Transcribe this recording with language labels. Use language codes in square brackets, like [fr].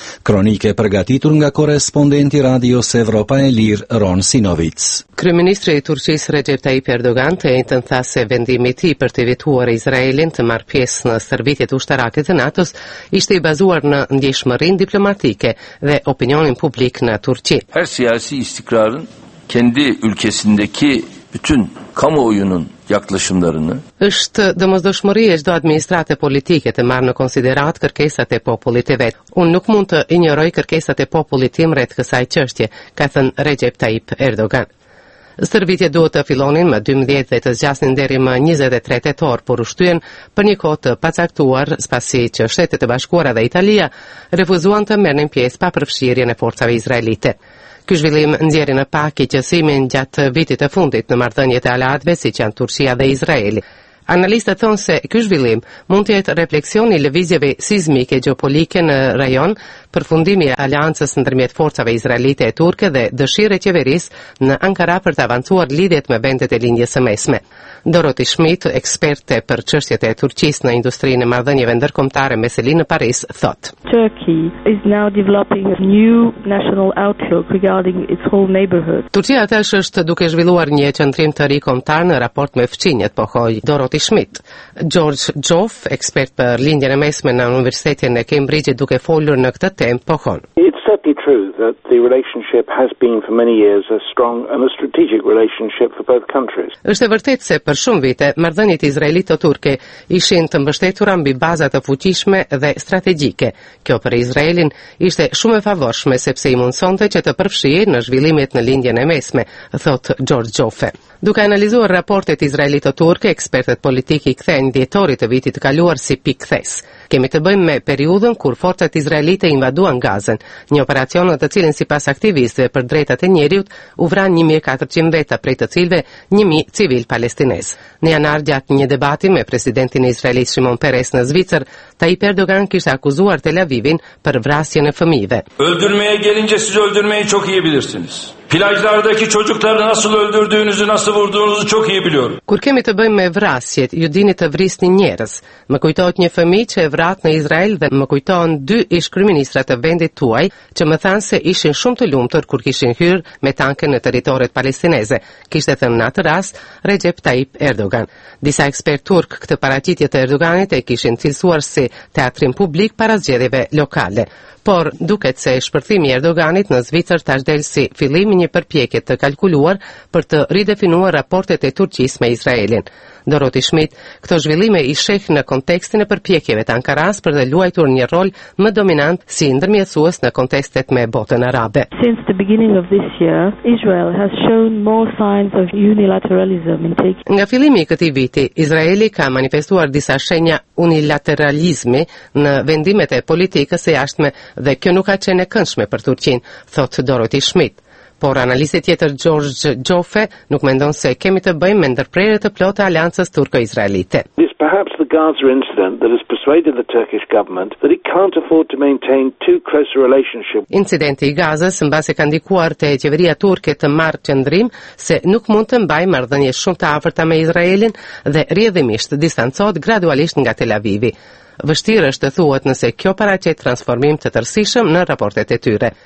[sq] Kronike përgatitur nga korrespondenti Radio Evropa e Lirë Ron Sinovic. Kryeministri i Turqisë Recep Tayyip Erdogan të njëjtën tha se vendimi i tij për të vetuar Izraelin të marrë pjesë në stërvitjet ushtarake të NATO-s ishte i bazuar në ndjeshmërinë diplomatike dhe opinionin publik në Turqi. [tr] Her siyasi istikrarın kendi ülkesindeki bütün kamuoyunun yaklaşımlarını. [sq] Është domosdoshmëri e çdo administrate politike të marrë në konsiderat kërkesat e popullit të vet. Unë nuk mund të injoroj kërkesat e popullit tim rreth kësaj çështje, ka thënë Recep Tayyip Erdogan. Stërvitjet duhet të fillonin më 12 dhe të zgjasnin deri më 23 tetor, por ushtyen për një kohë të pacaktuar, pasi që Shtetet e Bashkuara dhe Italia refuzuan të merrnin pjesë pa përfshirjen e forcave izraelite. Ky zhvillim nxjerri në pak qetësimin gjatë vitit të fundit në marrëdhëniet e aleatëve, siç janë Turqia dhe Izraeli. Analistët thonë se ky zhvillim mund të jetë refleksion i lëvizjeve sismike gjeopolitike në rajon, përfundimi i aleancës ndërmjet forcave izraelite e turke dhe dëshirë e qeverisë në Ankara për të avancuar lidhjet me vendet e lindjes së mesme. Dorothy Schmidt, eksperte për çështjet e Turqisë në industrinë e marrëdhënieve ndërkombëtare me selinë në Paris, thotë: [en] Turkey is now developing a new national outlook regarding its whole neighborhood. [sq] Turqia tash është duke zhvilluar një qendrim të ri kombëtar në raport me fqinjet, pohoi Dorothy Schmidt. George Joff, ekspert për lindjen e mesme në Universitetin e Cambridge, duke folur në këtë temp, pohon: [en] It's certainly true that the relationship has been for many years a strong and a strategic relationship for both countries. [sq] Është vërtet se për shumë vite marrëdhëniet izraelito-turke ishin të mbështetura mbi baza të fuqishme dhe strategjike. Kjo për Izraelin ishte shumë e favorshme sepse i mundsonte që të përfshihej në zhvillimet në lindjen e mesme, thot George Joffe. Duke analizuar raportet izraelito-turke, ekspertët politik i kthehen dhjetorit të vitit kaluar si pikthes. Kemi të bëjmë me periudhën kur forcat izraelite invaduan Gazën, një operacion në të cilin sipas aktivistëve për drejtat e njeriut u vran 1400 veta, prej të cilëve 1000 civil palestinez. Në janar gjatë një debati me presidentin izraelit Shimon Peres në Zvicër, Tayyip Erdogan kishte akuzuar Tel Aviv-in për vrasjen e fëmijëve. [tr] Öldürmeye gelince siz öldürmeyi çok iyi bilirsiniz. Plajlardaki çocukları nasıl öldürdüğünüzü, nasıl vurduğunuzu çok iyi biliyorum. [sq] Kur kemi të bëjmë me vrasjet, ju dini të vrisni njerëz. Më kujtohet një fëmijë që e vrat në Izrael dhe më kujtohen dy ish kryeministra të vendit tuaj që më thanë se ishin shumë të lumtur kur kishin hyrë me tanke në territoret palestineze. Kishte thënë në atë rast Recep Tayyip Erdogan. Disa ekspert turk këtë paraqitje të Erdoganit e kishin cilësuar si teatrin publik para zgjedhjeve lokale. Por duket se shpërthimi i Erdoganit në Zvicër tash del si fillimi një përpjekje të kalkuluar për të ridefinuar raportet e Turqisë me Izraelin. Dorothy Schmidt, këto zhvillime i sheh në kontekstin e përpjekjeve të Ankaras për të luajtur një rol më dominant si ndërmjetësues në kontekstet me botën arabe. [en] Since the beginning of this year, Israel has shown more signs of unilateralism in taking. [sq] Nga fillimi i këtij viti, Izraeli ka manifestuar disa shenja unilateralizmi në vendimet e politikës së jashtme dhe kjo nuk ka qenë e këndshme për Turqinë, thot Dorothy Schmidt. Por analistët tjetër George Joffe nuk mendon se kemi të bëjmë me ndërprerje të plotë aleancës turko-izraelite. [en] This perhaps the Gaza incident that has persuaded the Turkish government that it can't afford to maintain too close a relationship. [sq] Incidenti i Gazës mbase ka ndikuar te qeveria turke të marrë qëndrim se nuk mund të mbajë marrëdhënie shumë të afërta me Izraelin dhe rrjedhimisht distancohet gradualisht nga Tel Avivi. Vështirë është të thuhet nëse kjo paraqet transformim të tërësishëm në raportet e tyre.